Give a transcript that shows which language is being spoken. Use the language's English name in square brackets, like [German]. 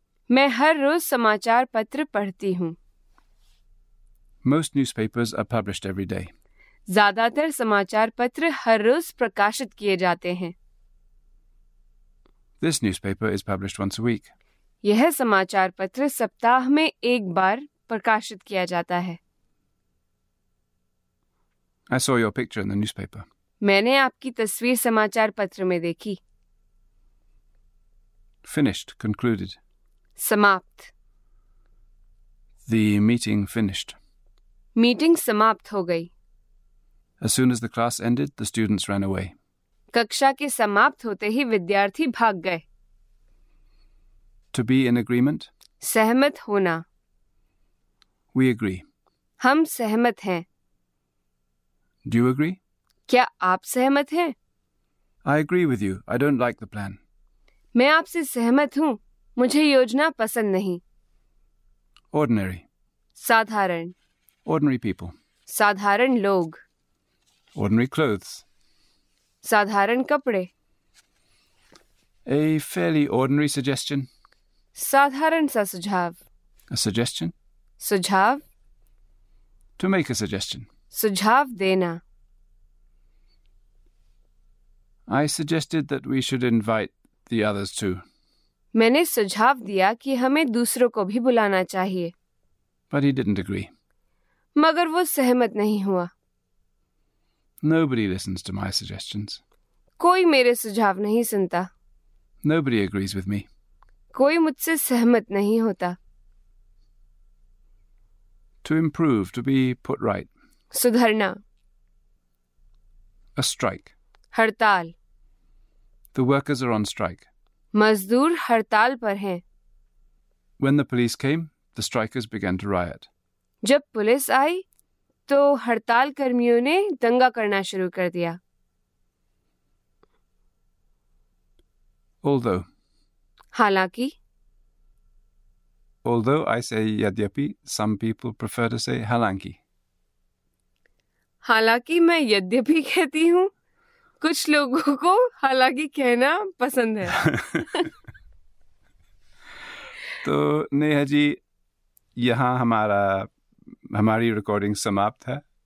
[Hindi] मैं हर रोज समाचार पत्र पढ़ती हूँ. [English] Most newspapers are published every day. [Hindi] ज्यादातर समाचार पत्र हर रोज प्रकाशित किए जाते हैं. [English] This newspaper is published once a week. [Hindi] यह समाचार पत्र सप्ताह में एक बार प्रकाशित किया जाता है. [English] I saw your picture in the newspaper. [Hindi] मैंने आपकी तस्वीर समाचार पत्र में देखी. [English] Finished, concluded. [Hindi] समाप्त. [English] The meeting finished. [Hindi] मीटिंग समाप्त हो गई. [English] As soon as the class ended, the students ran away. [Hindi] कक्षा के समाप्त होते ही विद्यार्थी भाग गए. [English] To be in agreement. [Hindi] सहमत होना. [English] We agree. [Hindi] हम सहमत हैं. [English] Do you agree? [Hindi] क्या आप सहमत हैं? [English] I agree with you. I don't like the plan. [Hindi] मैं आपसे सहमत हूँ. मुझे योजना पसंद नहीं. [English] Ordinary. [Hindi] साधारण. [English] Ordinary people. [Hindi] साधारण लोग. [English] Ordinary clothes. [Hindi] साधारण कपड़े. [English] A fairly ordinary suggestion. [Hindi] साधारण सा सुझाव. [English] A suggestion. [Hindi] सुझाव. [English] To make a suggestion. [Hindi] सुझाव देना. [English] I suggested that we should invite the others too. [Hindi] मैंने सुझाव दिया कि हमें दूसरों को भी बुलाना चाहिए. [English] But he didn't agree. [Hindi] मगर वो सहमत नहीं हुआ. [English] Nobody listens to my suggestions. [Hindi] कोई मेरे सुझाव नहीं सुनता. [English] Nobody agrees with me. [Hindi] कोई मुझसे सहमत नहीं होता. [English] To improve, to be put right. [Hindi] सुधरना. [English] A strike. [Hindi] हड़ताल. [English] The workers are on strike. [Hindi] मजदूर हड़ताल पर हैं. [English] When the police came, the strikers began to riot. [Hindi] जब पुलिस आई तो हड़ताल कर्मियों ने दंगा करना शुरू कर दिया. [English] Although. [Hindi] हालांकि. [English] Although I say yadyapi, some people prefer to say halanki. [Hindi] हालांकि मैं यद्यपि कहती हूँ, कुछ लोगों को हालांकि कहना पसंद है. तो नेहा जी, यहाँ हमारी रिकॉर्डिंग समाप्त है.